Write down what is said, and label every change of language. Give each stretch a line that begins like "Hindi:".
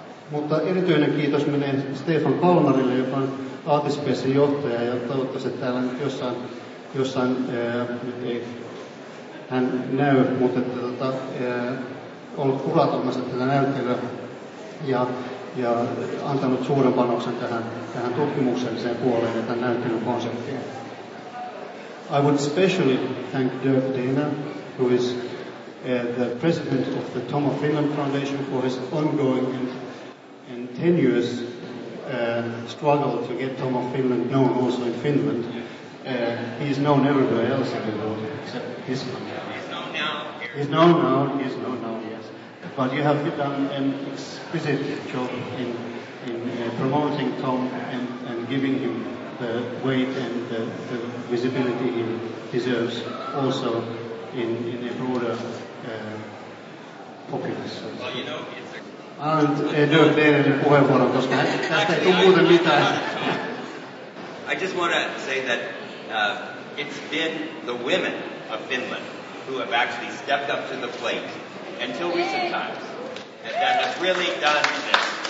Finnish: Mutta erityinen kiitos menee Stefan Palmarille, joka on Artispacen johtaja ja toivottavasti täällä nyt jossain nyt ei hän näy, mutta ollut kuratomassa tätä näyttelyä ja antanut suuren panoksen tähän tutkimukselliseen puoleen ja tämän näyttelyn konseptiin.
English: I would especially thank Dirk Dana, who is the president of the Tom of Finland Foundation, for his ongoing and tenuous struggle to get Tom of Finland known also in Finland. He is known everywhere else in the world except this one. He's known now. But you have done an exquisite job in promoting Tom and giving him the weight and the visibility he deserves also in a broader populace. Well, you know,
Finnish: and Dirk Dehner's puheenvuoron, koska tästä ei tule muuten mitään.
English: I just want to say that it's been the women of Finland who have actually stepped up to the plate until recent times, and that has really done this.